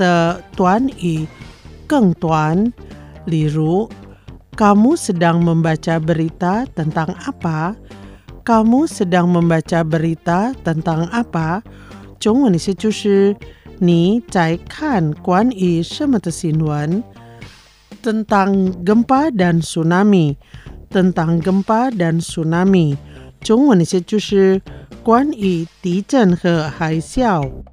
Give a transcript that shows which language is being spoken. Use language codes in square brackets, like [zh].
[zh] 或者通常在日常会话中使用的短语更短， 例如 [id] Kamu sedang membaca berita tentang apa? Kamu sedang membaca berita tentang apa? [zh] 中文意思就是 你在看关于什么的新闻？ [id] Tentang gempa dan tsunami. Tentang gempa dan tsunami. [zh] 中文意思就是 关于地震和海啸。